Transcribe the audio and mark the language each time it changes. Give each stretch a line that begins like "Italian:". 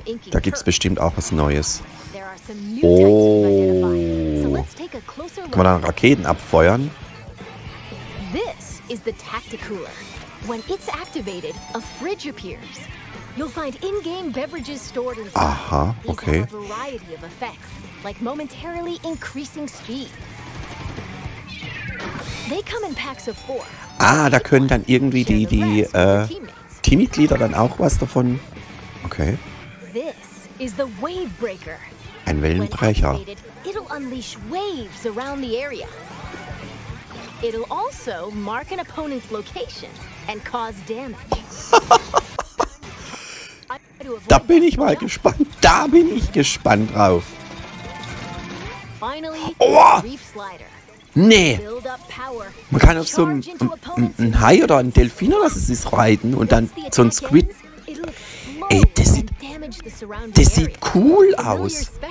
German: Da gibt es bestimmt auch was Neues. Oh. Kann man dann Raketen abfeuern?
English: Is the Tacticooler. When it's activated, a fridge appears. You'll find in-game beverages stored inside.
German: Aha, okay.
English: These have a variety of effects, like momentarily increasing speed. They come in packs of four.
German: Ah, da können dann irgendwie die Teammitglieder dann auch was davon. Okay.
English: This is the Wavebreaker.
German: Ein Wellenbrecher.
English: It'll unleash waves around the area. It'll also mark an opponent's location and cause damage.
German: Da bin ich mal gespannt. Da bin ich gespannt drauf.
English: Finally, oh! Reef Slider.
German: Nee. Man kann auf so ein Hai oder ein Delfin oder was es ist reiten und dann so ein Squid. Ey, das sieht cool aus.